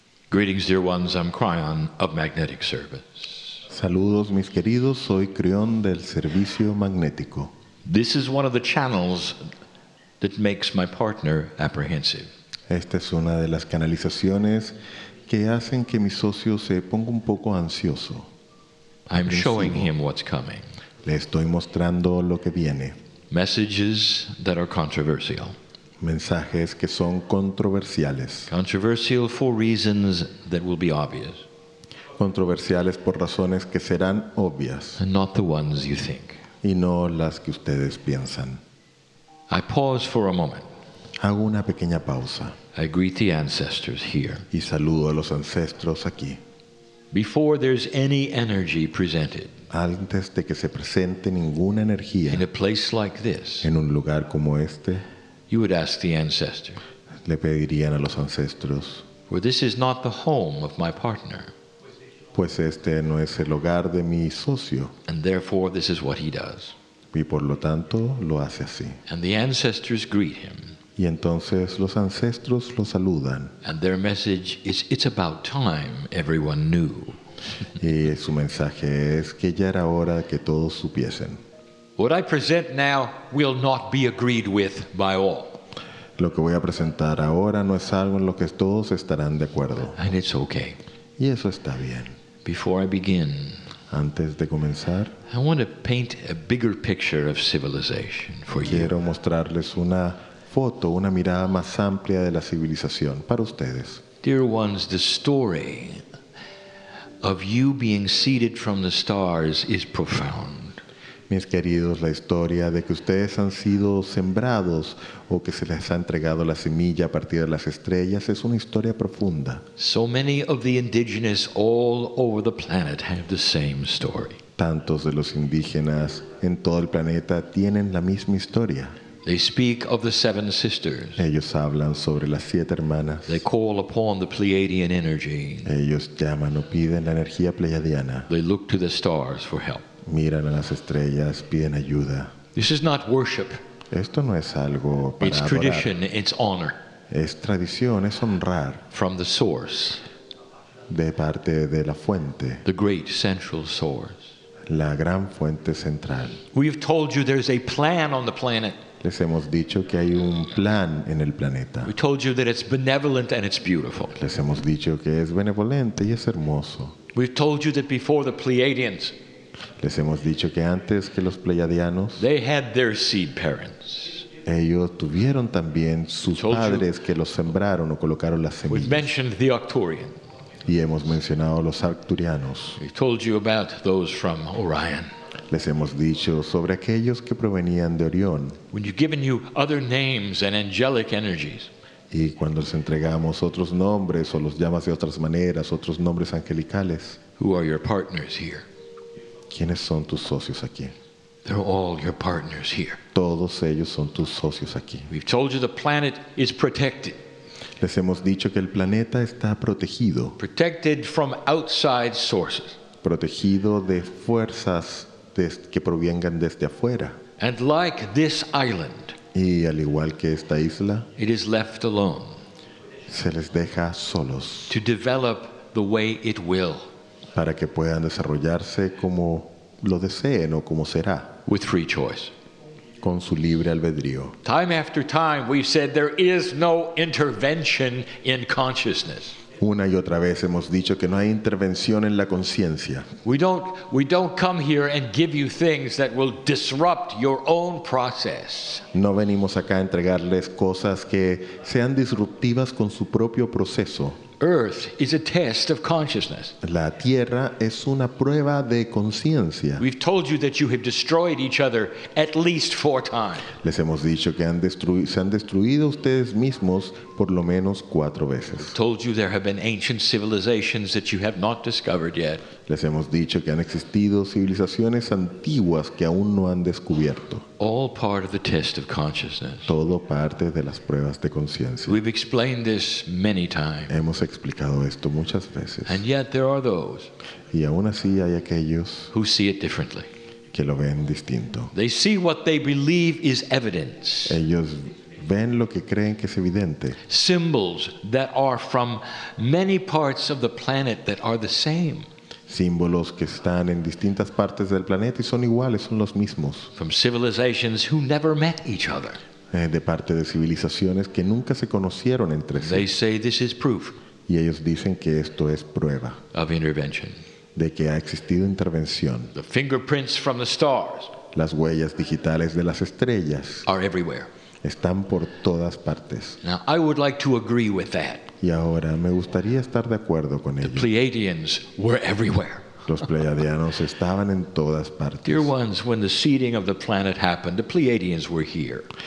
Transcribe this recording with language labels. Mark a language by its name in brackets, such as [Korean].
[English] Greetings, dear ones. I'm Kryon of Magnetic Service. [Spanish] Saludos, mis queridos. Soy Kryon del Servicio Magnético. [English] This is one of the channels that makes my partner apprehensive. [Spanish] Esta es una de las canalizaciones que hacen que mi socio se ponga un poco ansioso. [English] I'm showing him what's coming. [Spanish] Le estoy mostrando lo que viene. [English] Messages that are controversial. [Spanish] Mensajes que son controversiales. [English] Controversial for reasons that will be obvious. [Spanish] Controversiales por razones que serán obvias. [English] And not the ones you think. [Spanish] Y no las que ustedes piensan. [English] I pause for a moment. [Spanish] Hago una pequeña pausa. [English] I greet the ancestors here. [Spanish] Y saludo a los ancestros aquí. [English] Before there's any energy presented. [Spanish] Antes de que se presente ninguna energía. [English] In a place like this. [Spanish] En un lugar como este. [English] You would ask the ancestor. [Spanish] Le pedirían a los ancestros. [English] For this is not the home of my partner. [Spanish] Pues este no es el hogar de mi socio. [English] And therefore this is what he does. [Spanish] Y por lo tanto lo hace así. [English] And the ancestors greet him. [Spanish] Y entonces los ancestros lo saludan. [English] And their message is, it's about time everyone knew. [Spanish] Y su mensaje es que ya era hora que todos supiesen. [English] What I present now will not be agreed with by all. [Spanish] Lo que voy a presentar ahora no es algo en lo que todos estarán de acuerdo. [English] And it's okay. [Spanish] Y eso está bien. [English] Before I begin, [Spanish] antes de comenzar, [English] I want to paint a bigger picture of civilization for [Spanish] quiero [English] you. [Spanish] Quiero mostrarles una foto, una mirada más amplia de la civilización para ustedes. [English] Dear ones, the story of you being seeded from the stars is profound. [Spanish] Mis queridos, la historia de que ustedes han sido sembrados o que se les ha entregado la semilla a partir de las estrellas es una historia profunda. [English] So many of the indigenous all over the planet have the same story. [Spanish] Tantos de los indígenas en todo el planeta tienen la misma historia. [English] They speak of the seven sisters. [Spanish] Ellos hablan sobre las siete hermanas. [English] They call upon the Pleiadian energy. [Spanish] Ellos llaman o piden la energía pleiadiana. [English] They look to the stars for help. [Spanish] Miran a las estrellas, piden ayuda. [English] This is not worship. [Spanish] Esto no es algo para [English] it's tradition, [Spanish] adorar. [English] It's honor. [Spanish] Es tradición, es honrar. [English] From the source. [Spanish] De parte de la fuente. [English] The great central source. [Spanish] La gran fuente central. [English] We've told you there's a plan on the planet. [Spanish] Les hemos dicho que hay un plan en el planeta. [English] We told you that it's benevolent and it's beautiful. [Spanish] Les hemos dicho que es benevolente y es hermoso. [English] We've told you that before the Pleiadians. [Spanish] Les hemos dicho que antes que los pleiadianos, [English] they had their seed parents. [Spanish] Ellos tuvieron también sus padres que los sembraron o colocaron las semillas. [English] We've mentioned the Arcturians. [Spanish] Y hemos mencionado los arcturianos. [English] We told you about those from Orion. [Spanish] Les hemos dicho sobre aquellos que provenían de Orión. [English] When you've given you other names and angelic energies. [Spanish] Y cuando les entregamos otros nombres o los llamas de otras maneras, otros nombres angelicales. [English] Who are your partners here? [Spanish] ¿Quiénes son tus socios aquí? [English] They're all your partners here. [Spanish] Todos ellos son tus socios aquí. [English] We've told you the planet is protected. [Spanish] Les hemos dicho que el planeta está protegido. [English] Protected from outside sources. [Spanish] Protegido de fuerzas que provengan desde afuera. [English] And like this island. [Spanish] Y al igual que esta isla. [English] It is left alone. [Spanish] Se les deja solos. [English] To develop the way it will. [Spanish] Para que puedan desarrollarse como lo deseen o como será. [English] With free choice. [Spanish] Con su libre albedrío. [English] Time after time we've said there is no intervention in consciousness. [Spanish] Una y otra vez hemos dicho que no hay intervención en la conciencia. [English] We don't come here and give you things that will disrupt your own process. [Spanish] No venimos acá a entregarles cosas que sean disruptivas con su propio proceso. [English] Earth is a test of consciousness. [Spanish] La tierra es una prueba de conciencia. [English] We've told you that you have destroyed each other at least four times. [Spanish] Les hemos dicho que se han destruido ustedes mismos por lo menos cuatro veces. [English] We've told you there have been ancient civilizations that you have not discovered yet. [Spanish] Les hemos dicho que han existido civilizaciones antiguas que aún no han descubierto. [English] All part of the test of consciousness. [Spanish] Todo parte de las pruebas de conciencia. [English] We've explained this many times. [Spanish] Hemos explicado esto muchas veces. [English] And yet there are those. [Spanish] Y aún así hay aquellos [English] who see it differently. [Spanish] Que lo ven distinto. [English] They see what they believe is evidence. [Spanish] Ellos Ven lo que creen que es evidente. [English] Symbols that are from many parts of the planet that are the same. [Spanish] Símbolos que están en distintas partes del planeta y son iguales, son los mismos. [English] From civilizations who never met each other. [Spanish] De parte de civilizaciones que nunca se conocieron entre sí. [English] They say this is proof. [Spanish] Y ellos dicen que esto es prueba [English] of intervention. [Spanish] De que ha existido intervención. [English] The fingerprints from the stars. [Spanish] Las huellas digitales de las estrellas [English] are everywhere. [Spanish] Están por todas partes. [English] Now, I would like to agree with that. [Spanish] Y ahora me gustaría estar de acuerdo con [English] the [Spanish] ello. [English] Pleiadians were everywhere. [Spanish] Los pleiadianos estaban en todas partes. [English] Dear ones, when the seeding of the planet happened, the Pleiadians were here.